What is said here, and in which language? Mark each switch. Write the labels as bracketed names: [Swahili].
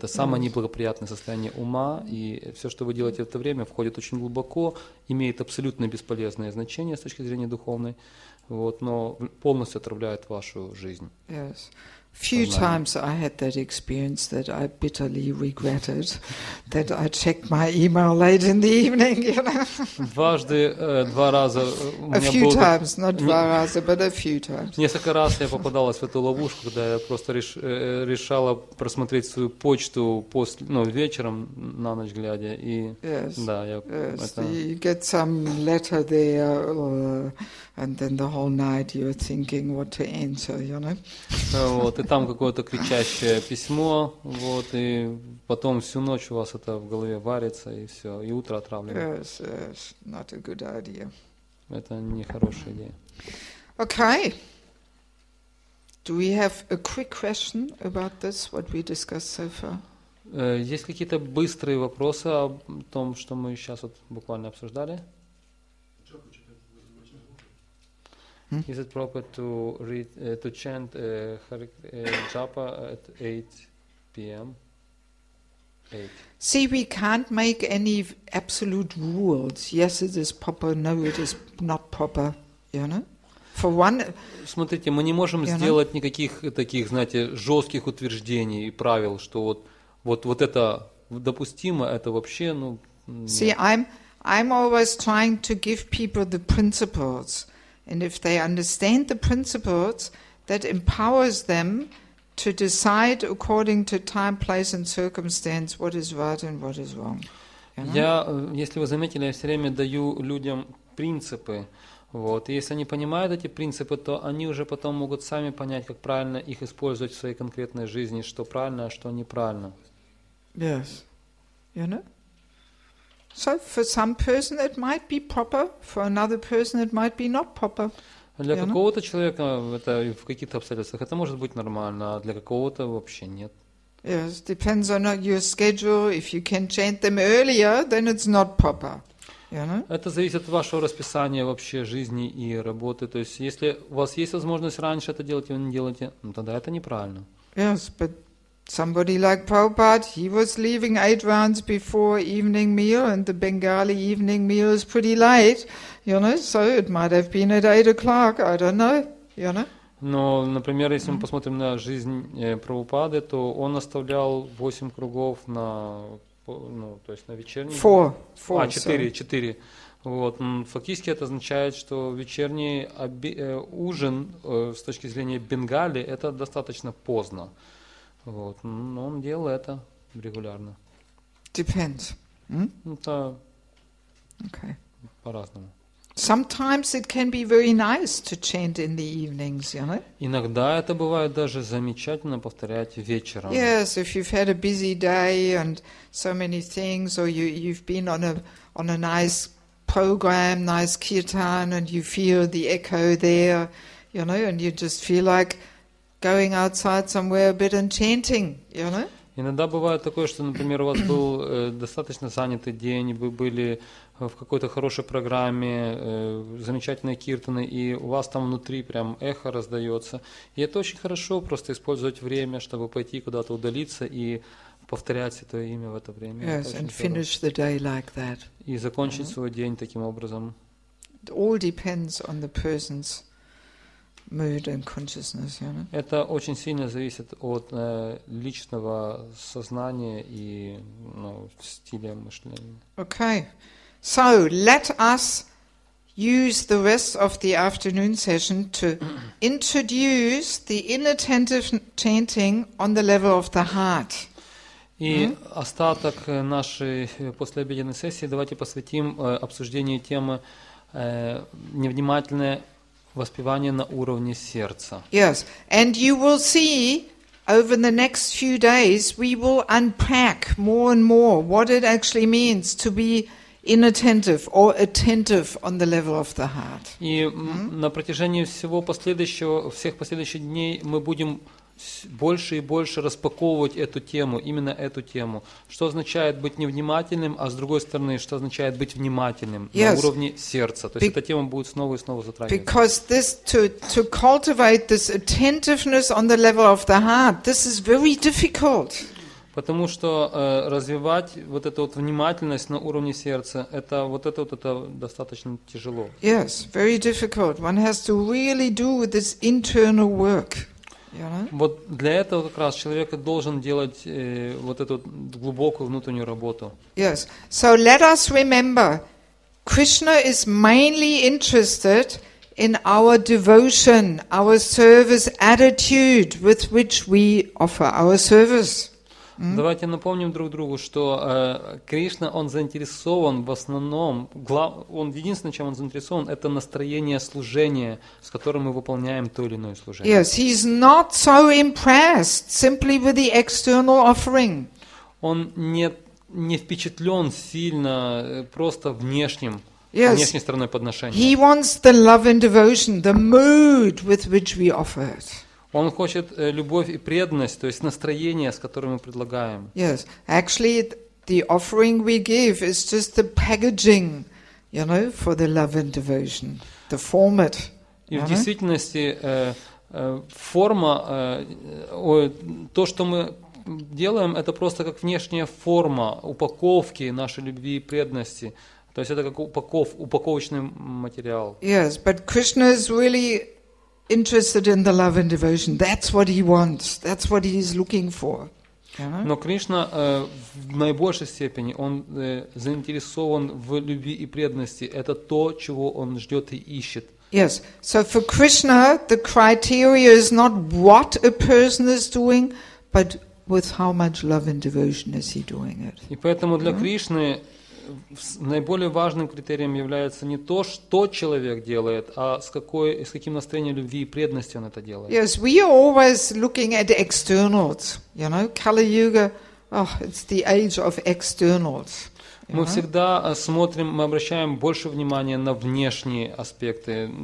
[Russian] Это самое неблагоприятное состояние ума, и все, что вы делаете в это время, входит очень глубоко, имеет абсолютно бесполезное значение с точки зрения духовной, вот, но полностью отравляет вашу жизнь. [English] Yes. Few times I had that experience that I bitterly regretted that I checked my email late in the evening, you know. [Russian] Несколько раз я попадалась в эту ловушку, когда я просто решала просмотреть свою почту после, ну, вечером на ночь глядя, и да, я [English] You get some letter there and then the whole night you're thinking what to answer, you know. [Russian] Вот, и там какое-то кричащее письмо, вот, и потом всю ночь у вас это в голове варится, и все, и утро отравлено. [English] Yes, yes, not a good idea. [Russian] Это нехорошая идея. [English] Okay. Do we have a quick question about this, what we discussed so far? [Russian] Есть какие-то быстрые вопросы о том, что мы сейчас вот буквально обсуждали? [English] Is it proper to read to chant Japa at 8 p.m.? See, we can't make any absolute rules. Yes, it is proper. No, it is not proper. You know? For one, [Russian] смотрите, мы не можем сделать никаких таких, знаете, жестких утверждений и правил, что вот вот это допустимо, это вообще, ну. Нет. [English] See, I'm always trying to give people the principles, and if they understand the principles, that empowers them to decide according to time, place, and circumstance what is right and what is wrong. [Russian] Я, если вы заметили, я все время даю людям принципы. Вот. И если они понимают эти принципы, то они уже потом могут сами понять, как правильно их использовать в своей конкретной жизни, что правильно, а что неправильно. [English] Yes. You know? So for some person it might be proper, for another person it might be not proper. [Russian] Для какого-то человека это в каких-то обстоятельствах это может быть нормально, а для какого-то вообще нет. [English] Yes, depends on your schedule. If you can change them earlier, then it's not proper. [Russian] Это зависит от вашего расписания вообще жизни и работы. То есть, если у вас есть возможность раньше это делать, и вы не делаете, ну, тогда это неправильно. [English] Yes, but somebody like Prabhupada, he was leaving 8 rounds before evening meal, and the Bengali evening meal is pretty light, you know, so it might have been at 8 o'clock, I don't know, you know. [Russian] Но, например, если мы посмотрим на жизнь Прабхупады, то он оставлял 8 кругов на... Ну, то есть на вечерний... Четыре. Вот. Фактически это означает, что вечерний ужин с точки зрения Бенгали это достаточно поздно. Вот. Но он делал это регулярно. [English] Depends. [Russian] Это [English] okay. [Russian] По-разному. [English] Sometimes it can be very nice to chant in the evenings, you know? [Russian] Иногда это бывает даже замечательно повторять вечером. [English] Yes, if you've had a busy day and so many things, or you've been on a nice program, nice kirtan, and you feel the echo there, you know, and you just feel like going outside somewhere a bit and chanting, you know? [Russian] Иногда бывает такое, что, например, у вас был достаточно занятый день, вы были в какой-то хорошей программе, замечательные киртаны, и у вас там внутри прям эхо раздается. И это очень хорошо, просто использовать время, чтобы пойти куда-то удалиться и повторять Святое Имя в это время. [English] Yes, [Russian] это [English] and finish the day like that. [Russian] И закончить свой день таким образом. [English] It all depends on the person's mood and consciousness, you know? [Russian] Это очень сильно зависит от личного сознания и стиля мышления. [English] Okay. So let us use the rest of the afternoon session to introduce the inattentive chanting on the level of the heart. [Russian] И остаток нашей послеобеденной сессии давайте посвятим обсуждению темы невнимательное воспевание на уровне сердца. [English] Yes, and you will see over the next few days we will unpack more and more what it actually means to be inattentive or attentive on the level of the heart. [Russian] И на протяжении всех последующих дней мы будем больше и больше распаковывать эту тему, именно эту тему. Что означает быть невнимательным, а с другой стороны, что означает быть внимательным на уровне сердца. То есть эта тема будет снова и снова затрагиваться. [English] Because this to cultivate this attentiveness on the level of the heart, this is very difficult. [Russian] Потому что развивать вот эту вот внимательность на уровне сердца, это достаточно тяжело. [English] Yes, very difficult. One has to really do this internal work. [Russian] Вот для этого как раз человек должен делать вот эту глубокую внутреннюю работу. [English] Yes. So let us remember, Krishna is mainly interested in our devotion, our service attitude with which we offer our service. [Russian] Давайте напомним друг другу, что Кришна, он заинтересован в основном, он единственное, чем он заинтересован, это настроение служения, с которым мы выполняем то или иное служение. [English] Yes, he's not so impressed simply with the external offering. [Russian] Он не впечатлен сильно просто внешней стороной подношения. [English] He wants the love and devotion, the mood with which we offer it. [Russian] Он хочет любовь и преданность, то есть настроение, с которым мы предлагаем. [English] Yes, actually, the offering we give is just the packaging, you know, for the love and devotion, the format. [Russian] И в действительности форма, то, что мы делаем, это просто как внешняя форма упаковки нашей любви и преданности. То есть это как упаковочный материал. [English] Yes, but Krishna is really interested in the love and devotion. That's what he wants. That's what he is looking for. [Russian] Но Кришна в наибольшей степени он заинтересован в любви и преданности. Это то, чего он ждет и ищет. [English] Yes. So for Krishna, the criteria is not what a person is doing, but with how much love and devotion is he doing it. И поэтому для Кришны наиболее важным критерием является не то, что человек делает, а с каким настроением любви и преданности он это делает. Yes, we are always looking at externals. You know, Kali Yuga, oh, it's the age of externals. [Russian] Мы всегда смотрим, мы обращаем больше внимания на внешние аспекты.